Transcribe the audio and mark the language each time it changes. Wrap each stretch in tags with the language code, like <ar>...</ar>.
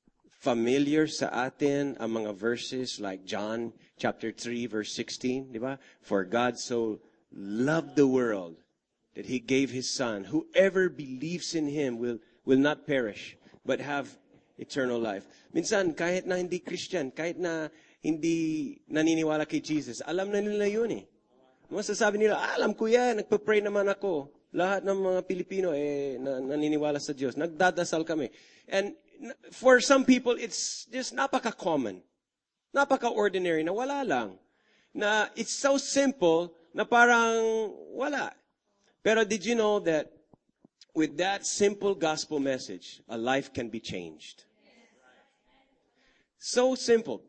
<tl>familiar sa atin ang mga verses like John chapter 3 verse 16, di ba?</tl> <en>For God so loved the world that he gave his son. Whoever believes in him will not perish but have eternal life.</en> <tl>Minsan kahit na hindi Christian, kahit na hindi naniniwala kay Jesus, alam na nila yun eh. Masasabi nila, alam ko yan, nagpa-pray naman ako. Lahat ng mga Pilipino naniniwala sa Diyos. Nagdadasal kami.</tl> <en>And for some people, it's just napaka-common.</en> <tl>Napaka-ordinary na wala lang. Na</tl> <en>it's so simple</en> <tl>na parang wala.</tl> <en>Pero did you know that with that simple gospel message, a life can be changed? So simple.</en>